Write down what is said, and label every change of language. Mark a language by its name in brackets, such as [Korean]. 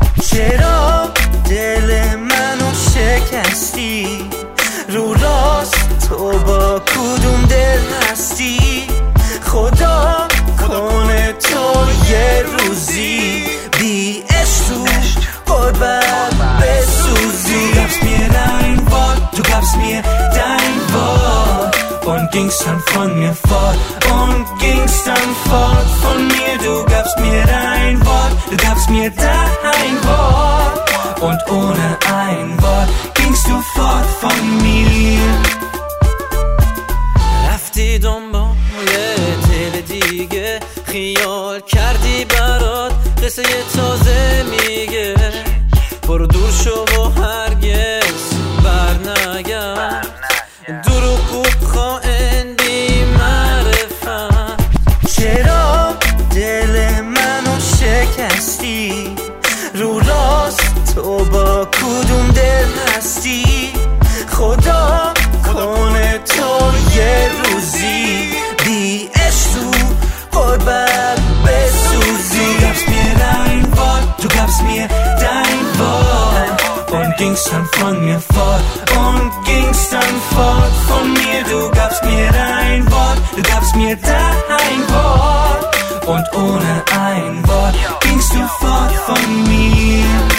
[Persian] چرا دل منو شکستی؟ رو راست تو با کدوم دل هستی؟ خدا کنه تو یه روزی بی عشقش قربت بسوزی. [German] Du gabst mir dein Wort, du gabst mir dein Wort und gingst dann von mir fort und gingst dann fort von mir. Du gabst mir dein Wort, du gabst mir dein Wort und ohne ein Wort gingst du fort von mir. [Persian] رفتی دنبال دل دیگه، خیال کردی برات قصه یه تازه میگه، برو دور شو و هرگز بر نگرد. دروغ و خائن بی معرفت. چرا دل منو شکستی؟ رو راست تو با کدوم دل هستی؟ خدا کنه تو یه روزی بی عشق تو قربت بسوزی. [German] Du gabst mir dein Wort, du gabst mir dein Wort und gingst dann von mir fort und gingst dann fort von mir. Du gabst mir dein Wort, du gabst mir dein Wort und ohne ein Wort gingst du fort von mir.